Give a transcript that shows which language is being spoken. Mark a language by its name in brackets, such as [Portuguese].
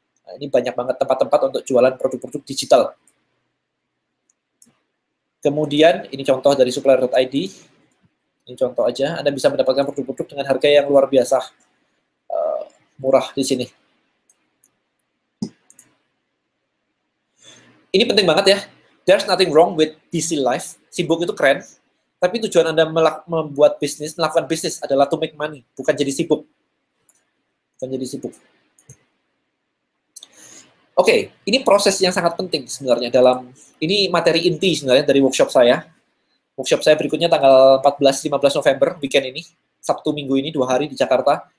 [Indonesian] Nah, ini banyak banget tempat-tempat untuk jualan produk-produk digital. Kemudian, ini contoh dari supplier.id. Ini contoh aja, Anda bisa mendapatkan produk-produk dengan harga yang luar biasa murah di sini. Ini penting banget ya. [English] There's nothing wrong with busy life. [Indonesian] Sibuk itu keren. Tapi tujuan Anda membuat bisnis, melakukan bisnis adalah [English] to make money, [Indonesian] bukan jadi sibuk. Dan jadi sibuk. Oke, ini proses yang sangat penting sebenarnya dalam, ini materi inti sebenarnya dari workshop saya. Workshop saya berikutnya tanggal 14-15 November, weekend ini, Sabtu minggu ini, 2 hari di Jakarta.